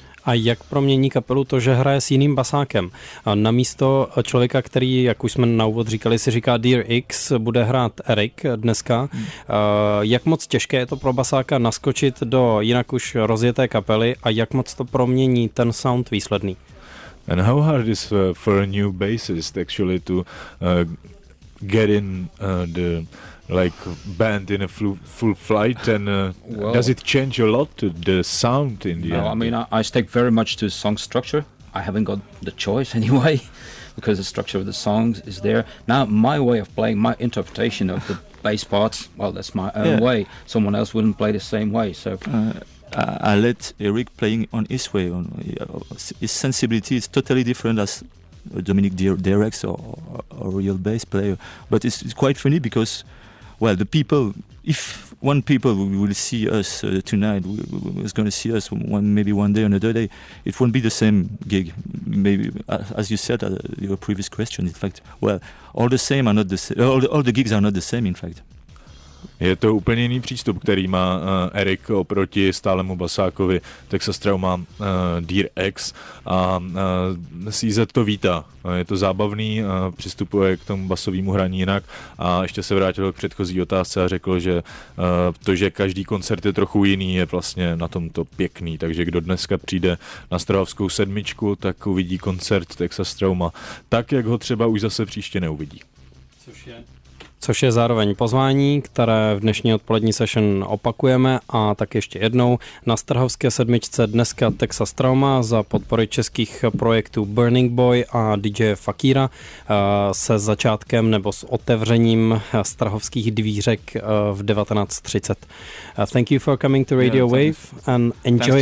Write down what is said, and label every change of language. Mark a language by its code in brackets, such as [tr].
[cs] A jak promění kapelu to, že hraje s jiným basákem? Namísto člověka, který, jak už jsme na úvod říkali, si říká Dear X, bude hrát Eric dneska. Jak moc těžké je to pro basáka naskočit do jinak už rozjeté kapely a jak moc to promění ten sound výsledný? [en] And how hard is for a new bassist actually to get in the like band in a full flight, and does it change a lot to the sound in the end? I mean, I stick very much to song structure. I haven't got the choice anyway, because the structure of the songs is there. Now my way of playing, my interpretation of the bass parts, well, that's my own way. Someone else wouldn't play the same way, so I let Eric playing on his way. His sensibility is totally different as Dominic Derex or real bass player, but it's quite funny because, well, the people, if one people will see us tonight, is going to see us one day or another day, it won't be the same gig. Maybe as you said, your previous question, in fact, well, all the same are not the same. All the gigs are not the same, in fact. [cs] Je to úplně jiný přístup, který má Eric oproti stálemu basákovi Texas Trauma Dear X a CZ to vítá. Je to zábavný, přistupuje k tomu basovému hraní jinak a ještě se vrátil k předchozí otázce a řekl, že to, že každý koncert je trochu jiný, je vlastně na tom to pěkný, takže kdo dneska přijde na Strahovskou sedmičku, tak uvidí koncert Texas Trauma tak, jak ho třeba už zase příště neuvidí. Což je zároveň pozvání, které v dnešní odpolední session opakujeme a tak ještě jednou. Na Strahovské sedmičce dneska Texas Trauma za podpory českých projektů Burning Boy a DJ Fakira se začátkem nebo s otevřením strahovských dvířek v 19:30. [en] Thank you for coming to Radio Wave and enjoy